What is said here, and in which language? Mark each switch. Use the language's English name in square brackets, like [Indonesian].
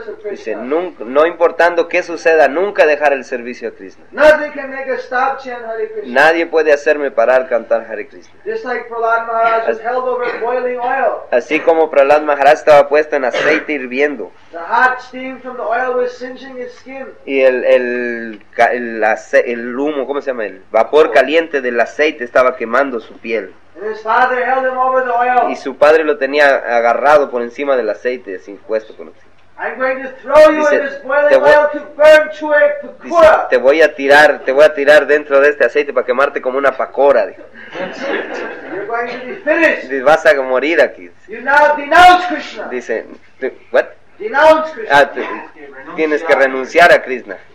[Spanish] Dice, no importando qué suceda, nunca dejar el servicio a Krishna. [English] Nothing can make us stop chanting Hare Krishna. [Spanish] Nadie puede hacerme parar cantar Hare Krishna. [English] Just like Prahlad Maharaj was held over boiling oil. [Spanish] Así como Prahlad Maharaj estaba puesto en aceite hirviendo. [English] The hot steam from the oil was singeing his skin. [Spanish] Y el humo, ¿cómo se llama? El vapor caliente del aceite estaba quemando su piel. [English] And his father held him over the oil. [Spanish] Y su padre lo tenía agarrado por encima del aceite, así puesto con oxígeno. [English] I'm going to throw you in this boiling oil to burn Chuek Pakora. [Spanish] Te voy a tirar dentro de este aceite para quemarte como una pakora. [English] You're going to be finished. [Spanish] Vas a morir aquí. [English] You now denounce Krishna. [Spanish] Dice, [English] what? Denounce Krishna. [Spanish] Ah, tienes que renunciar a Krishna.